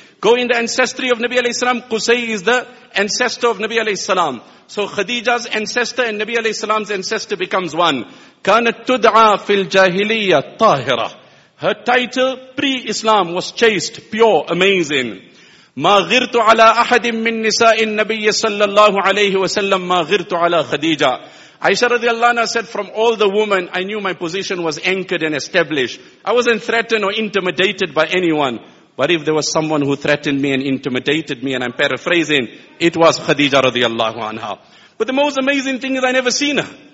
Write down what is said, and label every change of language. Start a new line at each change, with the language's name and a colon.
English: Go in the ancestry of Nabi alayhi salam, Qusay is the ancestor of Nabi alayhi salam. So Khadija's ancestor and Nabi alayhi salam's ancestor becomes one.
Arabic: Kanat tud'a fil jahiliya tahira.
English: Her title pre-Islam was chaste, pure, amazing.
Arabic: ما غرت على احد من نساء النبي صلى الله عليه وسلم ما غرت على خديجه.
English: Aisha radiallahu anha said, from all the women I knew my position was anchored and established. I wasn't threatened or intimidated by anyone. But if there was someone who threatened me and intimidated me, and I'm paraphrasing, it was Khadija radiallahu anha. But the most amazing thing is I never seen her.